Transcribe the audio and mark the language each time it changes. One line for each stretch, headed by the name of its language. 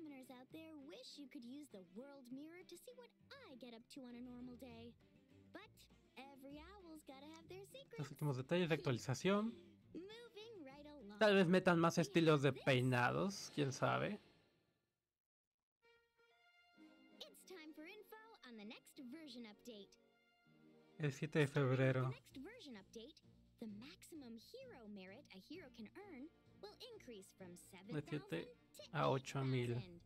English: Out there wish you could use the world mirror to see what I get up to on a normal day. But every owl's gotta have their secrets.
Spanish: Los últimos detalles de actualización.
English: Moving right along.
Spanish: Tal vez metan más estilos de peinados, quién sabe.
English: It's time for info on the next version update.
Spanish: El 7 de febrero.
English: The next version update, the maximum hero merit a hero can earn will increase from 7,000 to 8,000.